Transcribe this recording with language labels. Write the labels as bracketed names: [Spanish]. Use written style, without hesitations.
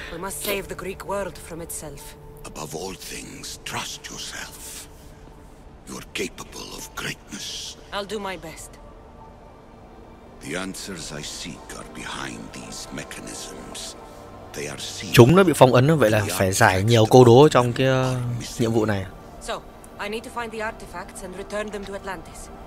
[English] We must save the Greek world from itself. Above all things, trust yourself. You're capable of greatness. I'll do my best. The answers I seek are behind these mechanisms. They are sealed. [Vietnamese] Chúng nó bị phong ấn, vậy là phải giải nhiều câu đố trong cái nhiệm vụ này. [English] So, I need to find the artifacts and return them to Atlantis.